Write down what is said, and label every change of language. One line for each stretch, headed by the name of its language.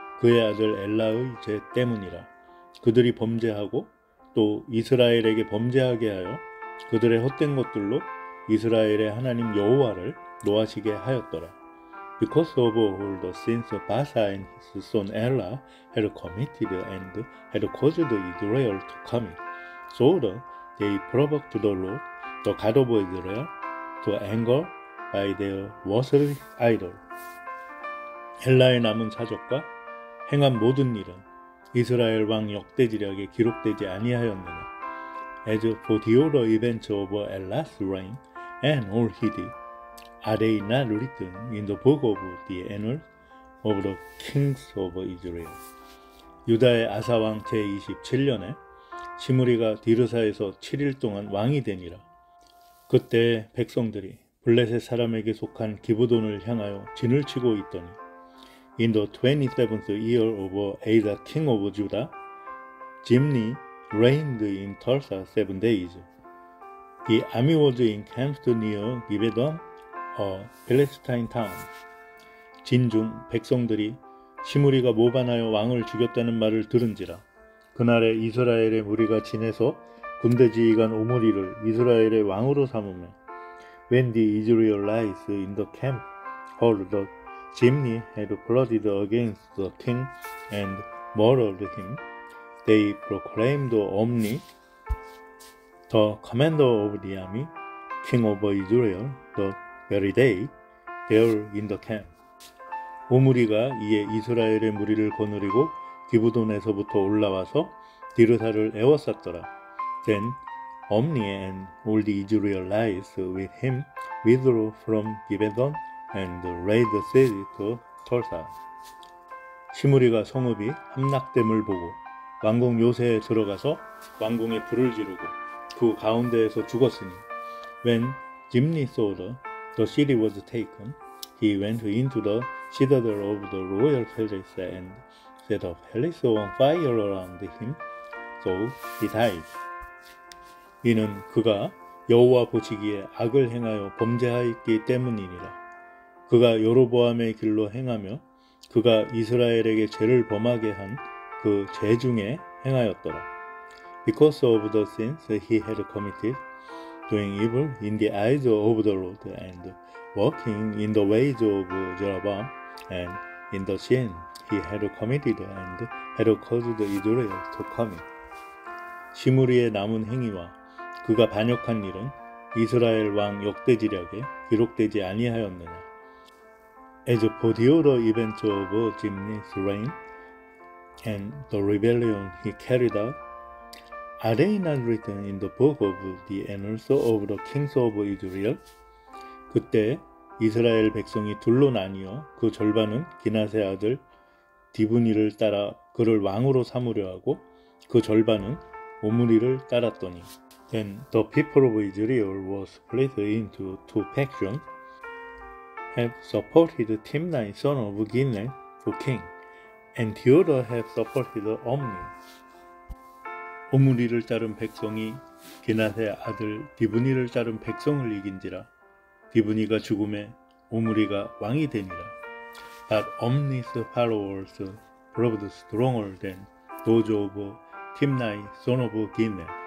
Korean: 그의 아들 엘라의 죄 때문이라. 그들이 범죄하고 또 이스라엘에게 범죄하게 하여 그들의 헛된 것들로 이스라엘의 하나님 여호와를 노하시게 하였더라.
English: Because of all the sins of Baasha and his son Ella had committed and had caused Israel to commit, so they provoked the Lord, the God of Israel, to anger by their worthless idol.
Korean: 엘라의 남은 사적과 행한 모든 일은 이스라엘 왕 역대지략에 기록되지 아니하였느냐.
English: As for the other events of Ella's reign and all he did, are they not written in the book of the annals of the kings of Israel?
Korean: 유다의 아사왕 제27년에 시므리가 디르사에서 7일 동안 왕이 되니라. 그때 백성들이 블레셋 사람에게 속한 기브돈을 향하여 진을 치고 있더니
English: In the 27th year of Asa king of Judah, Zimri reigned in Tirzah 7 days. The army was encamped near Gibbethon, a Philistine town.
Korean: 진중 백성들이 시므리가 모반하여 왕을 죽였다는 말을 들은지라. 그날에 이스라엘의 무리가 진에서 군대 지휘관 오므리를 이스라엘의 왕으로 삼으며
English: When the Israelites in the camp heard the Zimri had plotted against the king and murdered him, they proclaimed Omri, the commander of the army, king of Israel, the very day, there in the camp.
Korean: 오므리가 이에 이스라엘의 무리를 거느리고 기브돈에서부터 올라와서 디르사를 에워쌌더라.
English: Then Omri and all the Israelites with him withdrew from Gibbethon and laid siege to Tirzah.
Korean: 시므리가 성읍이 함락됨을 보고 왕궁 요새에 들어가서 왕궁에 불을 지르고 그 가운데에서 죽었으니
English: When Zimri saw the city was taken, he went into the citadel of the royal palace and set a palace on fire around him, so he died.
Korean: 이는 그가 여호와 보시기에 악을 행하여 범죄하였기 때문이니라. 그가 여로보암의 길로 행하며 그가 이스라엘에게 죄를 범하게 한 그 죄 중에 행하였더라.
English: Because of the sins he had committed, doing evil in the eyes of the Lord and walking in the ways of Jeroboam and in the sin he had committed and had caused Israel to commit.
Korean: 시므리의 남은 행위와 그가 반역한 일은 이스라엘 왕 역대지략에 기록되지 아니하였느냐.
English: As for the other events of Zimri's reign and the rebellion he carried out, are they not written in the book of the annals of the kings of Israel?
Korean: 그때 이스라엘 백성이 둘로 나뉘어 그 절반은 기낫의 아들 디브니를 따라 그를 왕으로 삼으려 하고 그 절반은 오므리를 따랐더니
English: Then the people of Israel were split into two factions, half supported Timnah son of Ginath for king, and the other half supported Omri.
Korean: 오므리를 따른 백성이 기낫의 아들 디브니를 따른 백성을 이긴지라. 디브니가 죽음에 오므리가 왕이 되니라.
English: But Omri's followers proved stronger than those of Timnah son of Ginath.